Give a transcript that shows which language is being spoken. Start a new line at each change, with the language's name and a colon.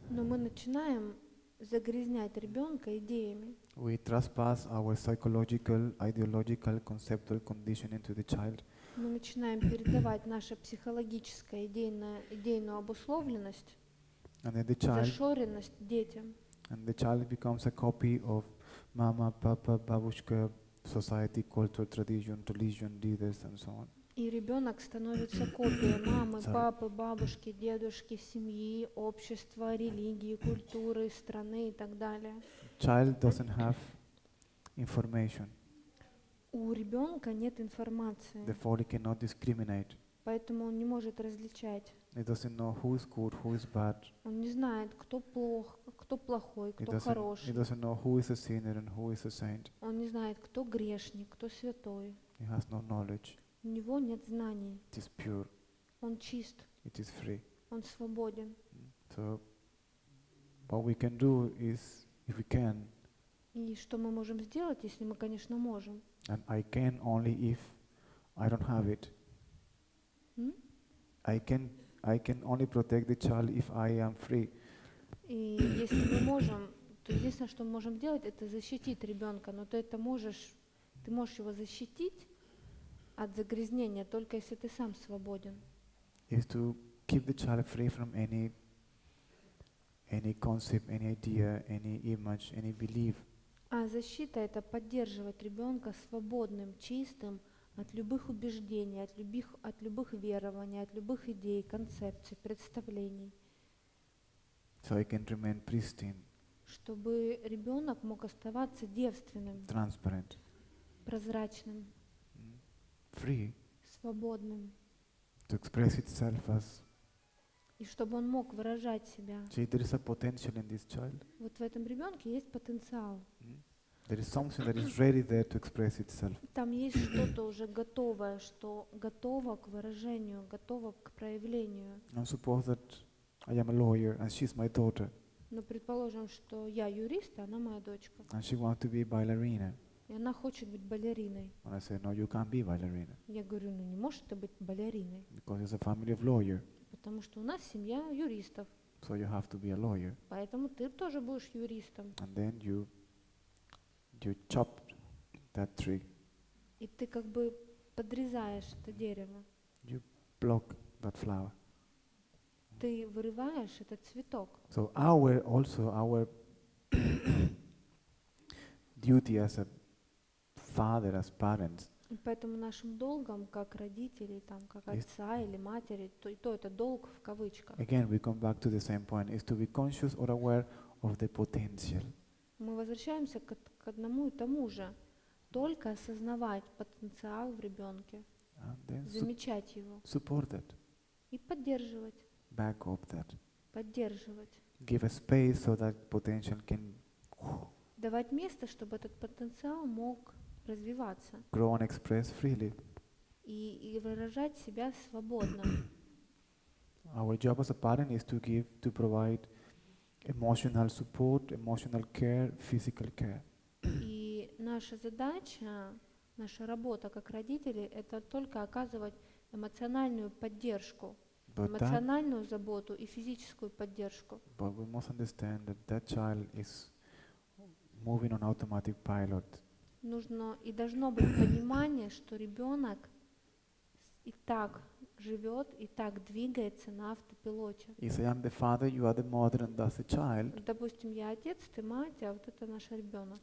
Russian: Но мы начинаем загрязнять ребенка идеями.
English: We trespass our psychological, ideological, conceptual conditioning to the child.
Russian: Мы начинаем передавать наше психологическое, идейную обусловленность, зашоренность детям.
English: And the child becomes a copy of mama, papa, babushka, society, culture, tradition, religion, leaders, and so on.
Russian: И ребенок становится копией мамы, папы, бабушки, дедушки, семьи, общества, религии, культуры, страны и так далее.
English: Child doesn't have information.
Russian: У ребенка нет информации.
English: Therefore, he cannot discriminate.
Russian: Поэтому он не может различать.
English: He doesn't know who is good, who is bad.
Russian: Он не знает, кто плох, кто плохой, кто хороший.
English: He doesn't know who is a sinner and who is a saint.
Russian: Он не знает, кто грешник, кто святой.
English: He has no knowledge.
Russian: У него нет знаний.
English: It is pure.
Russian: Он чист.
English: It is free.
Russian: Он свободен.
English: So, what we can do is, if we can.
Russian: И что мы можем сделать, если мы, конечно, можем?
English: And I can only if I don't have it. I can only protect the child if I am free.
Russian: И если мы можем, то единственное, что мы можем делать, это защитить ребенка. Но ты это можешь, ты можешь его защитить от загрязнения только если ты сам свободен.
English: Is to keep the child free from any concept, any idea, any image, any belief.
Russian: А защита – это поддерживать ребенка свободным, чистым от любых убеждений, от любых верований, от любых идей, концепций, представлений.
English: So he can remain pristine.
Russian: Чтобы ребенок мог оставаться девственным.
English: Transparent.
Russian: Прозрачным.
English: Free.
Russian: Свободным.
English: To express itself as.
Russian: И чтобы он мог выражать себя.
English: See, there is a potential in this child.
Russian: Вот в этом ребенке есть потенциал.
English: There is something that is ready there to express itself.
Russian: Там есть что-то уже готовое, что готово к выражению, готово к проявлению.
English: And suppose that I am a lawyer and she's my daughter.
Russian: Но предположим, что я юрист, а она моя дочка.
English: And she wants to be a ballerina.
Russian: И она хочет быть балериной.
English: And I say, no, you can't be a ballerina.
Russian: Я говорю, ну не можешь ты быть балериной.
English: Because it's a family of lawyer.
Russian: Потому что у нас семья юристов.
English: So you have to be a lawyer.
Russian: Поэтому ты тоже будешь юристом.
English: And then you chop that tree.
Russian: И ты как бы подрезаешь это дерево.
English: You block that flower.
Russian: Ты вырываешь этот цветок.
English: So our also our duty as a father, as parents.
Russian: И поэтому нашим долгом как родителей, там как отца или матери, то это долг в кавычках.
English: Again, we come back to the same point: is to be conscious or aware of the potential.
Russian: Мы возвращаемся к одному и тому же, только осознавать потенциал в ребенке, замечать его,
English: support that.
Russian: И поддерживать.
English: Back up that.
Russian: Поддерживать.
English: Give a space so that potential can.
Russian: Давать место, чтобы этот потенциал мог развиваться.
English: Grow and express freely.
Russian: И выражать себя свободно.
English: Our job as a parent is to give, to provide emotional support, emotional care, physical care.
Russian: И наша задача, наша работа как родители, это только оказывать эмоциональную поддержку.
English: But
Russian: эмоциональную that, заботу и физическую поддержку.
English: But we must understand that that child is moving on automatic pilot.
Russian: нужно и должно быть понимание, что ребенок и так живет, и так двигается на автопилоте.
English: If I am the father, you are the mother, and that's the child.
Russian: Допустим, я отец, ты мать, а вот это наш ребенок.